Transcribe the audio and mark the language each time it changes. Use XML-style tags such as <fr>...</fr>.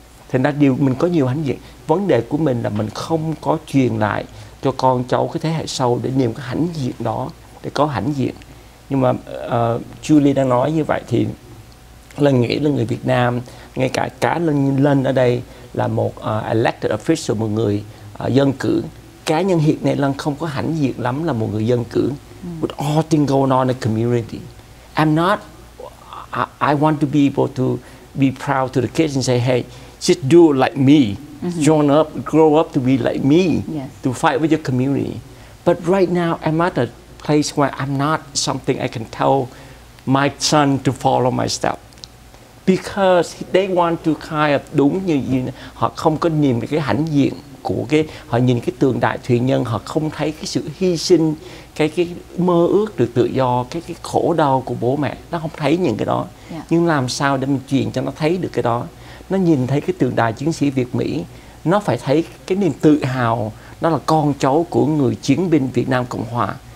<vi>Thì là điều mình có nhiều hãnh diện. Vấn đề của mình là mình không có truyền lại cho con cháu cái thế hệ sau để niềm cái hãnh diện đó, để có hãnh diện. Nhưng mà Julie đang nói như vậy thì Lân nghĩ là người Việt Nam, ngay cả cá Lân lên ở đây là một</vi> <en>elected official,</en> <vi>một người dân cử. Cá nhân hiện nay Lân không có hãnh diện lắm là một người dân cử.</vi> <en>With all things going on in the community, I want to be able to be proud to the kids and say, hey, just do it like me. Mm-hmm. Join up, grow up to be like me, to fight with your community. But right now, I'm at a place where I'm not something I can tell my son to follow my step. Because they want to kind of</en> <vi>đúng như họ không có nhìn cái hãnh diện của cái họ nhìn cái tượng đại thuyền nhân, họ không thấy cái sự hy sinh, cái mơ ước được tự do, cái khổ đau của bố mẹ, nó không thấy những cái đó.</vi> <en>Yeah.</en> <vi>Nhưng làm sao để mình truyền cho nó thấy được cái đó? Nó nhìn thấy cái tượng đài chiến sĩ Việt Mỹ, nó phải thấy cái niềm tự hào, nó là con cháu của người chiến binh Việt Nam Cộng Hòa.</vi>